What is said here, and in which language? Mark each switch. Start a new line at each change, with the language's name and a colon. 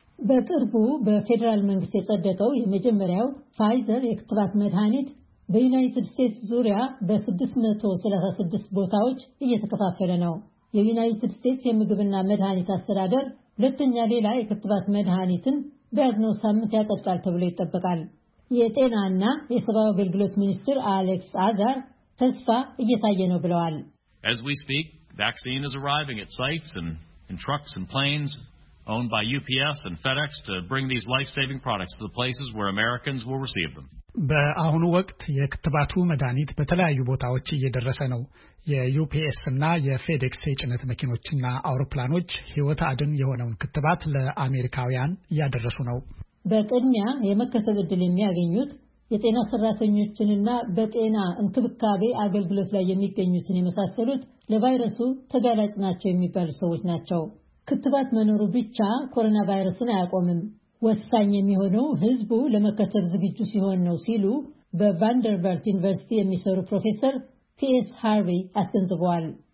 Amharic: በቅርቡ በፌዴራል መንግስት የጸደቀው የመጀመሪያው ፋይዘር የክትባት መድኃኒት በዩናይትድ ስቴትስ ዙሪያ በ636 ቦታዎች እየተከፋፈለ ነው። የዩናይትድ ስቴትስ የምግብና መድኃኒት አስተዳደር ሁለተኛ ሌላ የክትባት መድኃኒትን በያዝነው ሳምንት ያጠጣል ተብሎ ይጠበቃል። የጤናና የሰብአዊ አገልግሎት ሚኒስትር አሌክስ አጋር ተስፋ እየታየ ነው ብለዋል።
English: As we speak, vaccine is arriving at sites and in trucks and planes owned by UPS and FedEx to bring these life-saving products to the places where Americans will receive them.
Amharic: በአሁኑ ወቅት የክትባቱ መድኃኒት በተለያዩ ቦታዎች እየደረሰ ነው። የዩፒኤስ እና የፌዴክስ የጭነት መኪኖችና አውሮፕላኖች ህይወት አድን የሆነውን ክትባት ለአሜሪካውያን ያደረሱ ነው። በቅድሚያ የመከተብ ዕድል የሚያገኙት የጤና ሰራተኞችንና በጤና እንክብካቤ አገልግሎት ላይ የሚገኙትን የመሳሰሉት ለቫይረሱ ተጋላጭ ናቸው የሚባሉ ሰዎች ናቸው። ክትባት መኖሩ ብቻ ኮሮና ቫይረስን አያቆምም። ወሳኝ የሚሆነው ህዝቡ ለመከተብ ዝግጁ ሲሆን ነው ሲሉ በቫንደርበልት ዩኒቨርሲቲ የሚሰሩ ፕሮፌሰር ቲኤስ ሃርቪ አስተንዝበዋል።